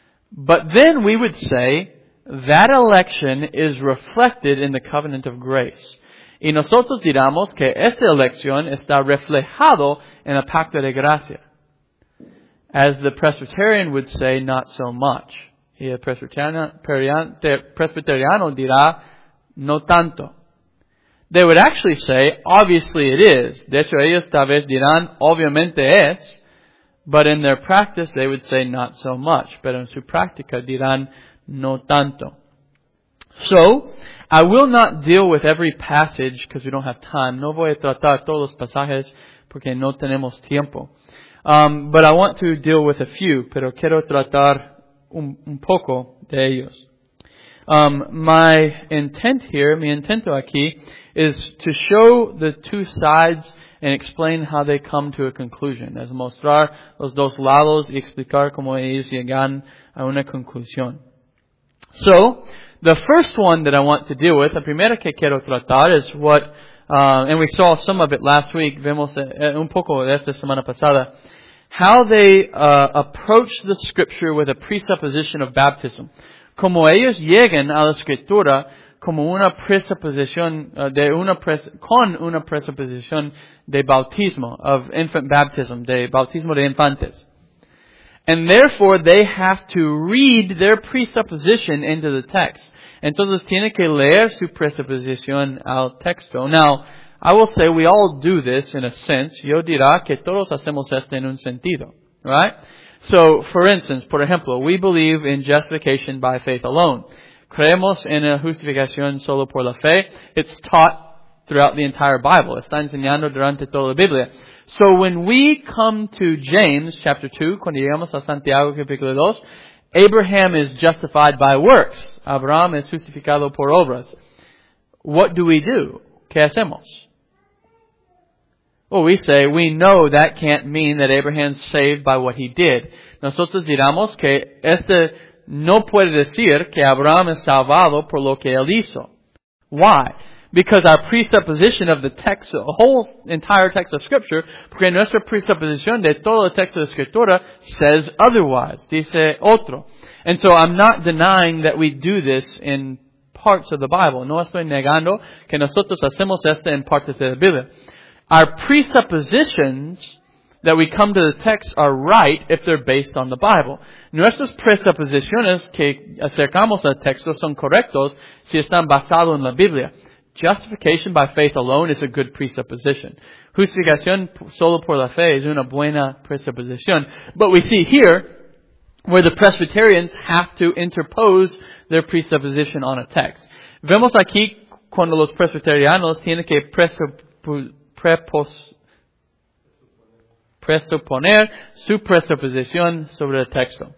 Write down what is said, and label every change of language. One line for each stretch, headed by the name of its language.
English: But then we would say, that election is reflected in the covenant of grace.
Spanish: Y nosotros diramos que esta elección está reflejado en el pacto de gracia.
English: As the Presbyterian would say, not so much.
Spanish: Y el Presbyteriano dirá, no tanto.
English: They would actually say, obviously it is.
Spanish: De hecho, ellos tal vez dirán, obviamente es.
English: But in their practice, they would say, not so much.
Spanish: Pero en su práctica dirán, no tanto.
English: So, I will not deal with every passage because we don't have time.
Spanish: No voy a tratar todos los pasajes porque no tenemos tiempo.
English: But I want to deal with a few,
Spanish: pero quiero tratar un poco de ellos. Mi intento aquí
English: is to show the two sides and explain how they come to a conclusion.
Spanish: Es mostrar los dos lados y explicar cómo ellos llegan a una conclusión.
English: So, the first one that I want to deal with,
Spanish: la primera que quiero tratar,
English: is what, and we saw some of it last week,
Spanish: vemos un poco de esta semana pasada,
English: how they approach the scripture with a presupposition of baptism.
Spanish: Como ellos llegan a la escritura como una presupposición de una con una presupposición de bautismo,
English: of infant baptism,
Spanish: de bautismo de infantes.
English: And therefore, they have to read their presupposition into the text.
Spanish: Entonces, tiene que leer su presuposición al texto.
English: Now, I will say we all do this in a sense.
Spanish: Yo dirá que todos hacemos esto en un sentido.
English: Right? So, for instance,
Spanish: por ejemplo,
English: we believe in justification by faith alone.
Spanish: Creemos en la justificación solo por la fe.
English: It's taught throughout the entire Bible.
Spanish: Está enseñando durante toda la Biblia.
English: So when we come to James chapter 2,
Spanish: cuando llegamos a Santiago capítulo 2,
English: Abraham is justified by works.
Spanish: Abraham es justificado por obras.
English: What do we do?
Spanish: ¿Qué hacemos?
English: Well, we say we know that can't mean that Abraham's saved by what he did.
Spanish: Nosotros diramos que este no puede decir que Abraham es salvado por lo que él hizo.
English: Why? Because our presupposition of the text, the whole entire text of Scripture,
Spanish: porque nuestra presupposición de todo el texto de Escritura
English: says otherwise,
Spanish: dice otro.
English: And so I'm not denying that we do this in parts of the Bible.
Spanish: No estoy negando que nosotros hacemos esto en partes de la Biblia.
English: Our presuppositions that we come to the text are right if they're based on the Bible.
Spanish: Nuestras presuposiciones que acercamos al texto son correctos si están basados en la Biblia.
English: Justification by faith alone is a good presupposition.
Spanish: Justificación solo por la fe es una buena presuposición.
English: But we see here where the Presbyterians have to interpose their presupposition on a text.
Spanish: Vemos aquí cuando los presbiterianos tienen que presuponer su presuposición sobre el texto.